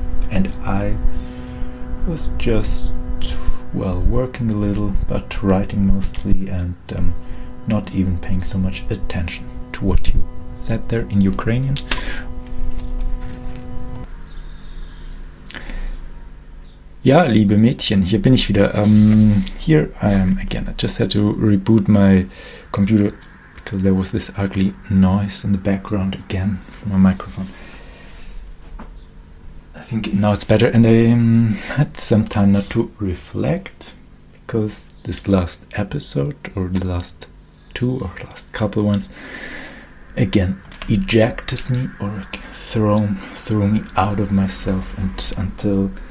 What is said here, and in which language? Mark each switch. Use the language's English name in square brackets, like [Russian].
[English] And I was just, well, working a little, but writing mostly, and not even paying so much attention to what you said there in Ukrainian. [German] Ja, liebe Mädchen, hier bin ich wieder. [English] Here I am again. I just had to reboot my computer, because there was this ugly noise in the background again from my microphone. I think now it's better, and I had some time not to reflect, because this last episode, or the last two, or last couple ones, again, ejected me, or threw me out of myself, and until,